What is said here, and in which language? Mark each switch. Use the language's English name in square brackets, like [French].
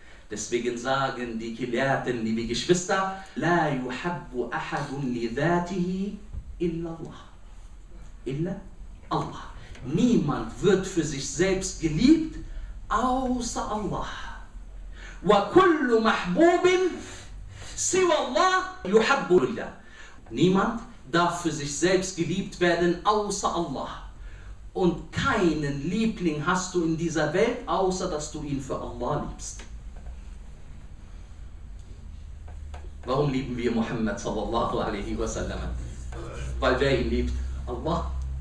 [German] Deswegen sagen die Gelehrten, liebe Geschwister, [Arabic] لا يحب أحد لذاته إلا الله. [German] إلا Allah. Niemand wird für sich selbst geliebt, außer Allah. [Arabic] وكل محبوب سوى الله يحب لله. [German] Niemand darf für sich selbst geliebt werden, außer Allah. Und keinen Liebling hast du in dieser Welt, außer dass du ihn für Allah liebst. Warum lieben wir Muhammad sallallahu alaihi wa sallam? Weil wer ihn liebt? Allah.